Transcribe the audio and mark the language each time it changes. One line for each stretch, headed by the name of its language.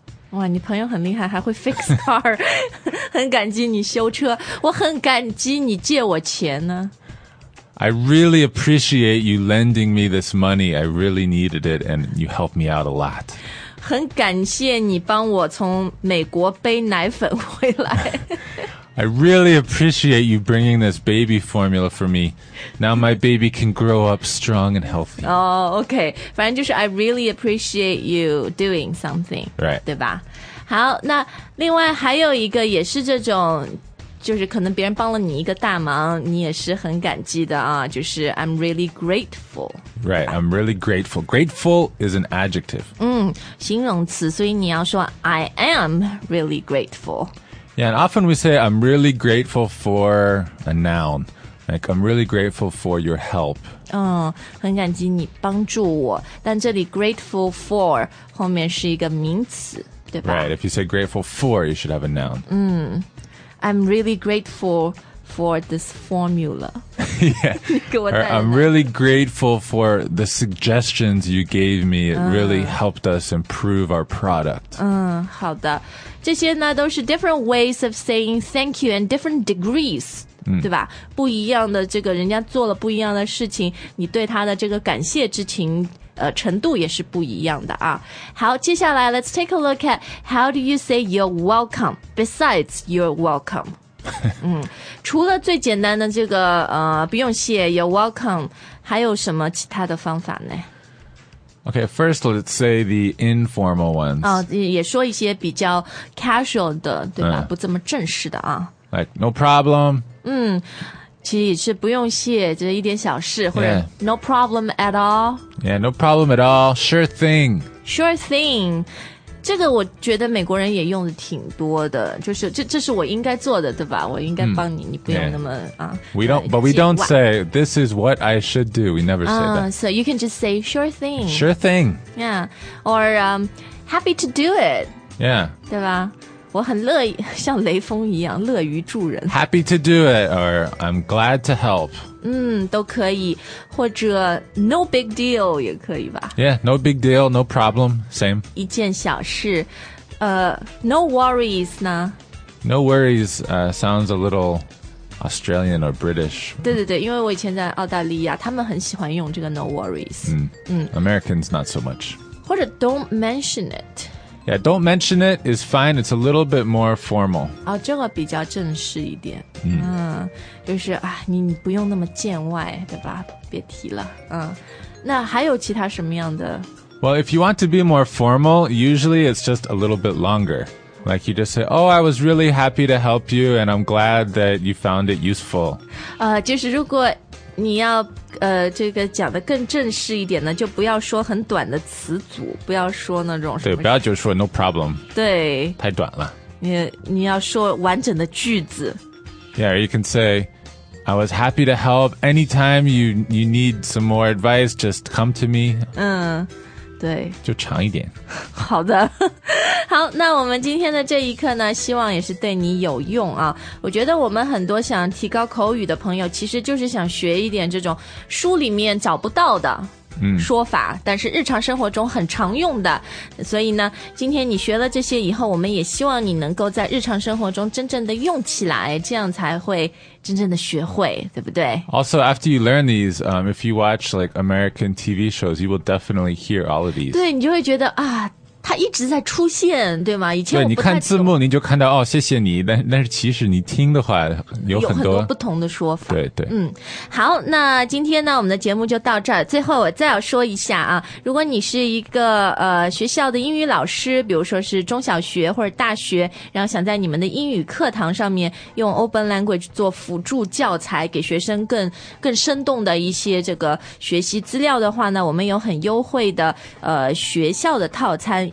Chinese: 哇你朋友很厉害还会
English: fix car
Chinese: 很感激你修车我很感激你借我钱呢
English: I really appreciate you lending me this money I really needed it and you helped me out a lot
Chinese: 很感谢你帮我从美国背奶粉回来
English: I really appreciate you bringing this baby formula for me Now my baby can grow up strong and healthy Oh, okay
Chinese: 反正就是
English: I really appreciate you doing something Right
Chinese: 对吧好那另外还有一个也是这种就是可能别人帮了你一个大忙你也是很感激的啊就是
English: I'm really grateful Right, I'm really grateful Grateful is an adjective
Chinese: 形容词所以你要说
English: I am really grateful Yeah, and often we say, I'm really grateful for a noun. Like, I'm really grateful for your help.
Chinese: 很感激你帮助我。但这里 grateful for 后面是一个名词，对吧？
English: Right, if you say grateful for, you should have a noun. I'm really grateful for this formula. yeah, or I'm really grateful for the suggestions you gave me. It really helped us improve our product.
Chinese: 好的。这些呢都是
English: different ways of saying thank you and different degrees,
Chinese: 对吧？不一样的这个人家做了不一样的事情，你对他的这个感谢之情，程度也是不一样的啊。好，接下来
English: let's take a look at how do you say you're welcome besides you're welcome.
Chinese: 除了最简单的这个不用谢
English: you're welcome,
Chinese: 还有什么其他的方法呢？
English: Okay, first let's say the informal ones.
Chinese: 也说一些比较 casual 的对吧不这么正式的啊。
English: Like, no problem.
Chinese: 其实是不用谢就是一点小事或者
English: no problem at all. Yeah, no problem at all. Sure thing. Sure thing.
Chinese: 这个我觉得美国人也用的挺多的就是 这是我应该做的对吧我应该帮你你不用那么
English: But we don't say, this is what I should do. We never say that. So you can just say, sure thing. Sure thing. Yeah. Or, happy to do it. Yeah.
Chinese: 对吧我很乐意像雷锋一样乐于助人
English: Happy to do it or I'm glad to help.
Chinese: 都可以或者
English: no big deal
Chinese: 也可以吧
English: Yeah, no big deal, no problem, same.
Chinese: 一件小事
English: no worries
Chinese: 呢
English: No worries sounds a little Australian or British.
Chinese: 对对对，因为我以前在澳大利亚，他们很喜欢用这个
English: no worries. Americans not so much.
Chinese: 或者
English: don't mention it. Yeah, don't mention it is fine. It's a little bit more formal.
Chinese: 哦，这个比较正式一点。就是啊，你不用那么见外，对吧？别提了。那还有其他什么样的？
English: Well, if you want to be more formal, usually it's just a little bit longer. Like you just say, oh, I was really happy to help you, and I'm glad that you found it useful.
Chinese: 就是如果你要这个讲得更正式一点呢，就不要说很短的词组，不要说那种什么。对，不要就说
English: no problem.
Chinese: 对。太短了。你要说完整的句子。
English: Yeah, you can say... I was happy to help. Anytime you need some more advice, just come to me.
Chinese: 对。就长一点。好的。好，那我们今天的这一课呢，希望也是对你有用啊。我觉得我们很多想提高口语的朋友，其实就是想学一点这种书里面找不到的说法，但是日常生活中很常用的。所以呢，今天你学了这些以后，我们也希望你能够在日常生活中真正的用起来，这样才会真正的学会，对不对？
English: Also, after you learn these, if you watch like American TV shows, you will definitely hear all of these.
Chinese: 对，你就会觉得啊，它一直在出现，对吗？以前我不太懂。对，你看字幕，你就看到哦，谢谢你。但是其实你听的话，有很多不同的说法。对对，好，那今天呢，我们的节目就到这儿。最后我再要说一下啊，如果你是一个学校的英语老师，比如说是中小学或者大学，然后想在你们的英语课堂上面用 Open Language 做辅助教材，给学生更生动的一些这个学习资料的话呢，我们有很优惠的学校的套餐。